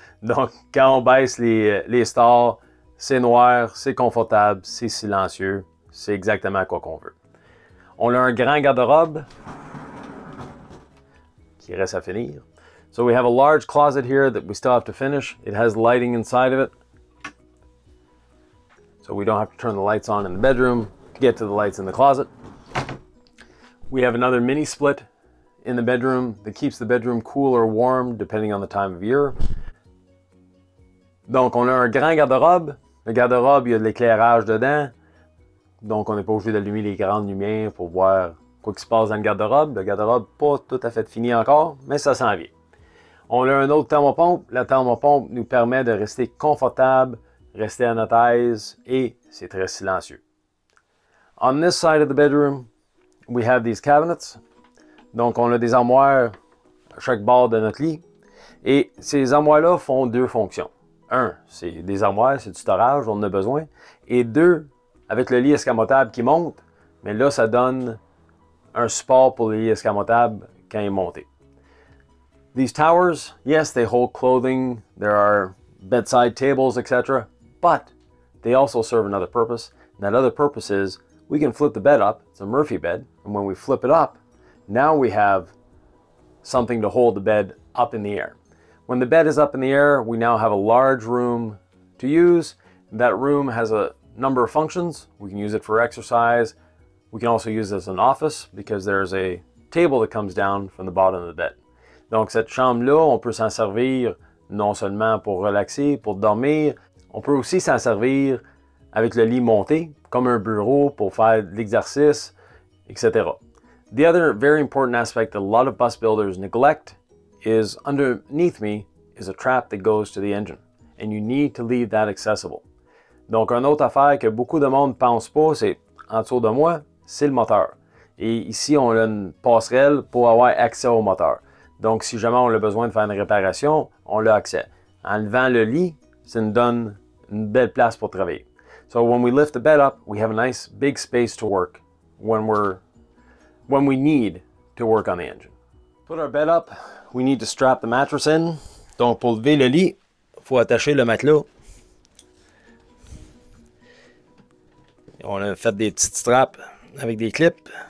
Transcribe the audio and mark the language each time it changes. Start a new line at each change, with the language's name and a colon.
French: Donc, quand on baisse les stores, c'est noir, c'est confortable, c'est silencieux, c'est exactement quoi qu'on veut. On a un grand garde-robe, qui reste à finir.
English: So we have a large closet here that we still have to finish. It has lighting inside of it. So we don't have to turn the lights on in the bedroom to get to the lights in the closet. We have another mini split in the bedroom that keeps the bedroom cool or warm depending on the time of year.
French: Donc on a un grand garde-robe. Le garde-robe, il y a de l'éclairage dedans. Donc on n'est pas obligé d'allumer les grandes lumières pour voir quoi qui se passe dans le garde-robe. Le garde-robe pas tout à fait fini encore, mais ça s'en vient. On a un autre thermopompe. La thermopompe nous permet de rester confortable, rester à notre aise, et c'est très silencieux.
English: On this side of the bedroom, we have these cabinets.
French: Donc, on a des armoires à chaque bord de notre lit. Et ces armoires-là font deux fonctions. Un, c'est des armoires, c'est du storage, on en a besoin. Et deux, avec le lit escamotable qui monte, mais là, ça donne un support pour le lit escamotable quand il est monté.
English: These towers, yes, they hold clothing, there are bedside tables, etc., but they also serve another purpose. And that other purpose is we can flip the bed up, it's a Murphy bed, and when we flip it up, now we have something to hold the bed up in the air. When the bed is up in the air, we now have a large room to use. That room has a number of functions. We can use it for exercise. We can also use it as an office because there's a table that comes down from the bottom of the bed.
French: Donc, cette chambre-là, on peut s'en servir non seulement pour relaxer, pour dormir, on peut aussi s'en servir avec le lit monté, comme un bureau pour faire de l'exercice, etc.
English: The other very important aspect that a lot of bus builders neglect is underneath me is a trap that goes to the engine, and you need to leave that accessible.
French: Donc, une autre affaire que beaucoup de monde ne pense pas, c'est en dessous de moi, c'est le moteur. Et ici, on a une passerelle pour avoir accès au moteur. Donc, si jamais on a besoin de faire une réparation, on l'a accès. En levant le lit, ça nous donne une belle place pour travailler.
English: So, when we lift the bed up, we have a nice big space to work when we need to work on the engine. Put our bed up, we need to strap the mattress in.
French: Donc, pour lever le lit, il faut attacher le matelas. On a fait des petites straps avec des clips.